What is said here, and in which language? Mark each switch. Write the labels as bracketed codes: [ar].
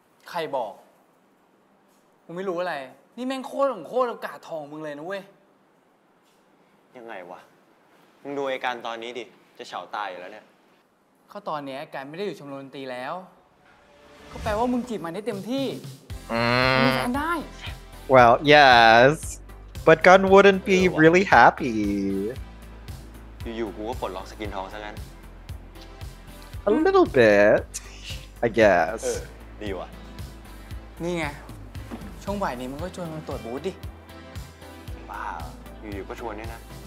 [th] ใครบอกกูไม่รู้อะไรนี่แม่งโคตรของโคตรโอกาสทองมึงเลยนะเว้ย ยังไงวะมึงดูไอ้การตอนนี้ดิจะเฉาตายอยู่แล้วเนี่ย เขาตอนเนี้ยไอ้การไม่ได้อยู่ชมรมดนตรีแล้วก็แปลว่ามึงจีบมันได้เต็มที่ มึงแฟนได้ [en] Well yes but Gun wouldn't be really happy [th] อยู่ๆกูก็ปลดล็อกสกินทองซะงั้น [en] A little bit I guess [th] ดีวะ นี่ไงช่วงบ่ายนี้มึงก็ชวนมาตรวจบูธดิ บ้าอยู่ๆก็ชวนเนี่ยนะ